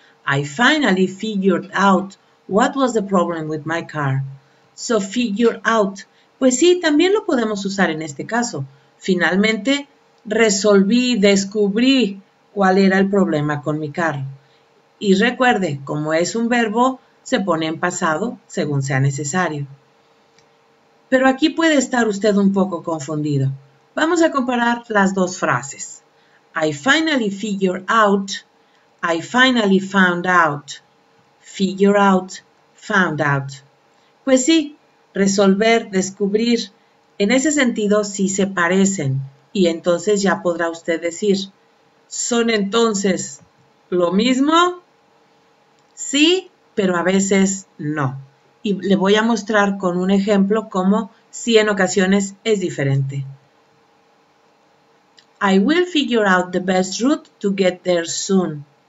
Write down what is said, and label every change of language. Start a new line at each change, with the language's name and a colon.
English: I finally figured out what was the problem with my car. So figure out.
Spanish: Pues sí, también lo podemos usar en este caso. Finalmente resolví, descubrí cuál era el problema con mi carro. Y recuerde, como es un verbo, se pone en pasado según sea necesario. Pero aquí puede estar usted un poco confundido. Vamos a comparar las dos frases.
English: I finally figured out. I finally found out. Figure out, found out.
Spanish: Pues sí, resolver, descubrir. En ese sentido, sí se parecen. Y entonces ya podrá usted decir, ¿son entonces lo mismo? Sí, pero a veces no. Y le voy a mostrar con un ejemplo cómo sí en ocasiones es diferente.
English: I will figure out the best route to get there soon.